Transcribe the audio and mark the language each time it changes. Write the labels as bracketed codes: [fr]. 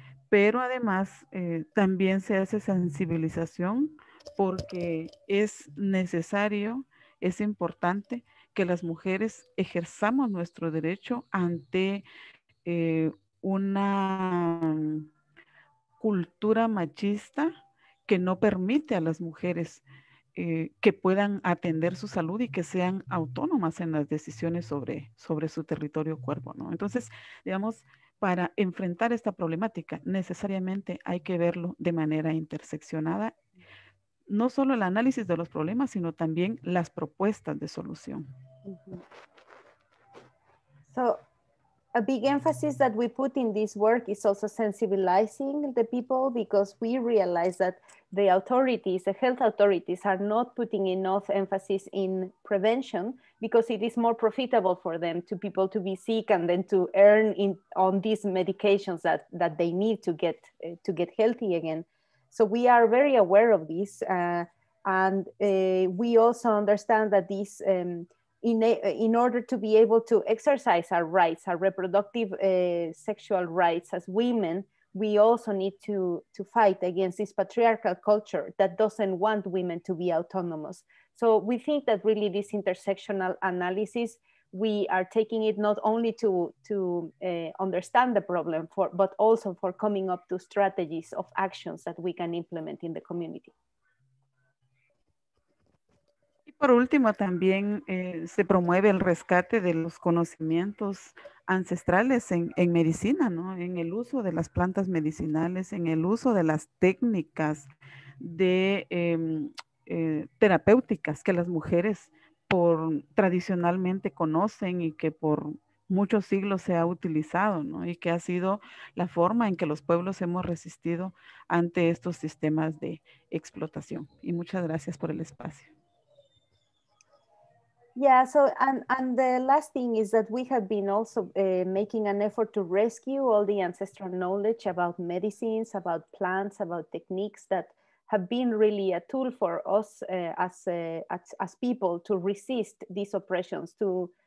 [es] Pero además también se hace sensibilización porque es necesario, es importante que las mujeres ejerzamos nuestro derecho ante una cultura machista que no permite a las mujeres que puedan atender su salud y que sean autónomas en las decisiones sobre su territorio cuerpo, ¿no? Entonces, digamos, para enfrentar esta problemática necesariamente hay que verlo de manera interseccionada. No solo el análisis de los problemas, sino también las propuestas de solución. [en] So, a big emphasis that we put in this work is also sensibilizing the people, because we realize that the authorities, the health authorities, are not putting enough emphasis in prevention, because it is more profitable for them to people to be sick and then to earn in on these medications that they need to get healthy again. So we are very aware of this, and we also understand that this, in order to be able to exercise our rights, our reproductive sexual rights as women, we also need to fight against this patriarchal culture that doesn't want women to be autonomous. So we think that really this intersectional analysis, we are taking it not only to understand the problem, but also for coming up to strategies of actions that we can implement in the community. [es] Y por último, también se promueve el rescate de los conocimientos ancestrales en medicina, ¿no? En el uso de las plantas medicinales, en el uso de las técnicas de terapéuticas que las mujeres por tradicionalmente conocen y que por muchos siglos se ha utilizado, ¿no? Y que ha sido la forma en que los pueblos hemos resistido ante estos sistemas de explotación. Y muchas gracias por el espacio. [en] Yeah, so and the last thing is that we have been also making an effort to rescue all the ancestral knowledge about medicines, about plants, about techniques that have been really a tool for us as people to resist these oppressions, to